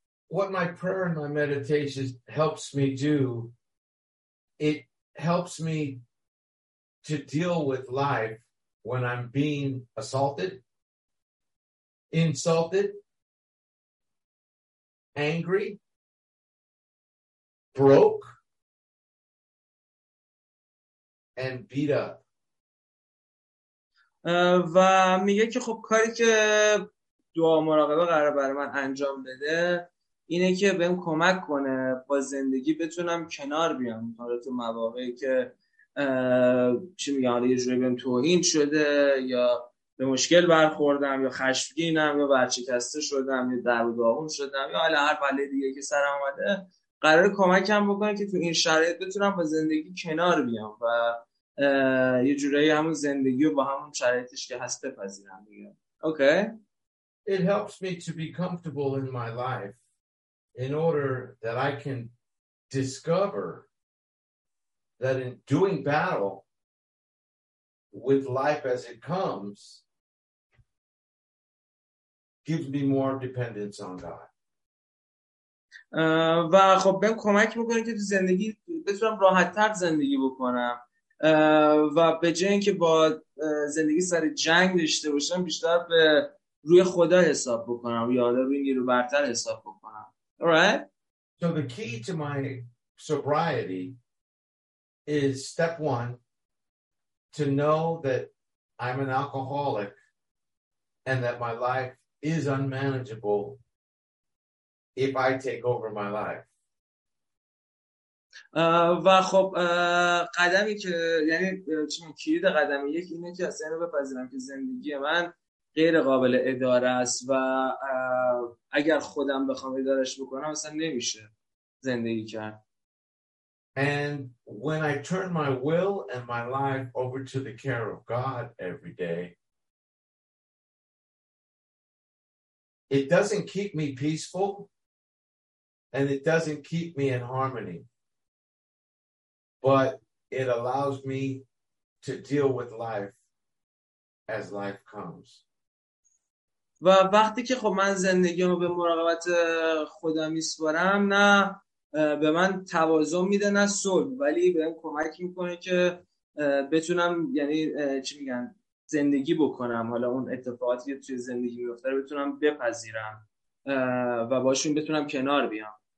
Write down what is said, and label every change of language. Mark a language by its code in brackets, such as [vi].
[en] What my prayer and my meditation helps me do, it helps me to deal with life when I'm being assaulted, insulted, angry, broke, and beat up. [fa] و میگه که خب کاری که دعا مراقبه قراره برای من انجام بده اینه که بهم کمک کنه با زندگی بتونم کنار بیام، حالا تو مواقعی که چی میگه، حالا یه جوری بهم توهین شده یا به مشکل برخوردم یا خشمگینم یا ورشکسته شدم یا درد و داغون شدم یا حالا هر بله دیگه که سر اومده، قراره کمکم بکنه که تو این شرایط بتونم با زندگی کنار بیام و یه جوری همون زندگی رو با همون شرایطش که هست بپذیرم دیگه. اوکی. [en] It helps me to be comfortable in my life in order that I can discover that in doing battle with life as it comes gives me more dependence on God. [fa] و خب بهم کمک میکنه که تو زندگی بتونم راحت‌تر زندگی بکنم و به جای اینکه با زندگی سر جنگ داشته باشم بیشتر به روی خدا حساب بکنم، یاد رو نیرو برتر حساب بکنم. [en] Alright. So the key to my sobriety is step one, to know that I'm an alcoholic and that my life is unmanageable if I take over my life. [fa] و خب قدمی که یعنی چون کلید قدم یک اینه که اصلا رو بپذیرم که زندگی من غیر قابل اداره است و اگر خودم بخوام ادارش بکنم اصلا نمیشه زندگی کرد. [en] And when I turn my will and my life over to the care of God every day, it doesn't keep me peaceful and it doesn't keep me in harmony, but it allows me to deal with life as life comes. [fa] و وقتی که خب من زندگیمو به مراقبت خدا میسپارم، نه به من توازن میده نه صلح، ولی بهم کمک میکنه که بتونم یعنی چی میگن زندگی بکنم، حالا اون اتفاقاتی که توی زندگی میفته رو بتونم بپذیرم و باشون بتونم کنار بیام.